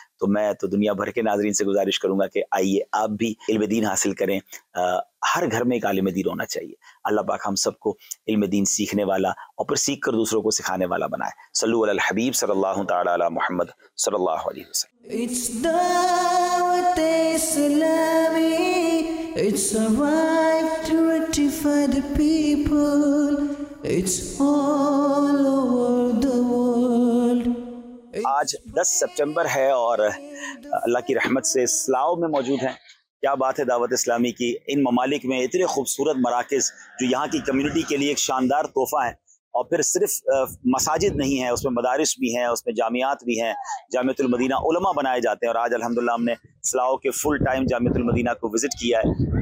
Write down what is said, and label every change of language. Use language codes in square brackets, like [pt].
[ur] تو میں تو دنیا بھر کے ناظرین سے گزارش کروں گا کہ آئیے آپ بھی علم دین حاصل کریں. ہر گھر میں ایک عالم دین ہونا چاہیے. اللہ پاک ہم سب کو علم دین سیکھنے والا اور پھر سیکھ کر دوسروں کو سکھانے والا بنائے. [ar] صلو علی الحبیب صلی اللہ تعالی علی محمد صلی اللہ علیہ وسلم. [en] It's دعوت اسلامی, it's a right to rectify the people, it's all over the world. [ur] آج 10 سپٹمبر ہے اور اللہ کی رحمت سے سلاو میں موجود ہیں. کیا بات ہے دعوت اسلامی کی, ان ممالک میں اتنے خوبصورت مراکز جو یہاں کی کمیونٹی کے لیے ایک شاندار تحفہ ہیں, اور پھر صرف مساجد نہیں ہیں, اس میں مدارس بھی ہیں, اس میں جامعات بھی ہیں, جامعۃ المدینہ علماء بنائے جاتے ہیں. اور آج الحمدللہ ہم نے سلاو کے فل ٹائم جامعۃ المدینہ کو وزٹ کیا ہے.